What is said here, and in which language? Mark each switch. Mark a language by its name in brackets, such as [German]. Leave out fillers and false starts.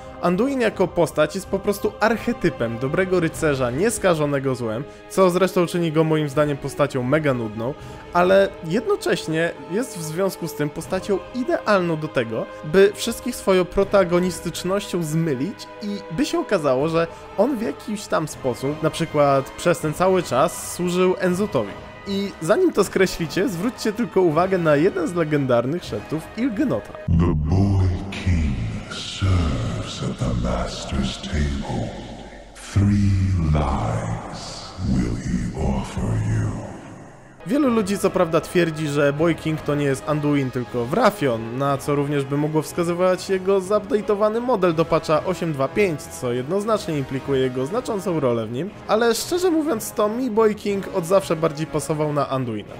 [Polish] Anduin jako postać jest po prostu archetypem dobrego rycerza nieskażonego złem, co zresztą czyni go moim zdaniem postacią mega nudną, ale jednocześnie jest w związku z tym postacią idealną do tego, by wszystkich swoją protagonistycznością zmylić i by się okazało, że on w jakiś tam sposób, na przykład przez ten cały czas, służył Enzutowi. I zanim to skreślicie, zwróćcie tylko uwagę na jeden z legendarnych szeptów Ilgnota. [English] The boy king serves at the master's table. Three lies will he offer you. [Polish] Wielu ludzi co prawda twierdzi, że Boy King to nie jest Anduin, tylko Wrafion, na co również by mogło wskazywać jego zupdate'owany model do patcha 8.2.5, co jednoznacznie implikuje jego znaczącą rolę w nim, ale szczerze mówiąc to mi Boy King od zawsze bardziej pasował na Anduina.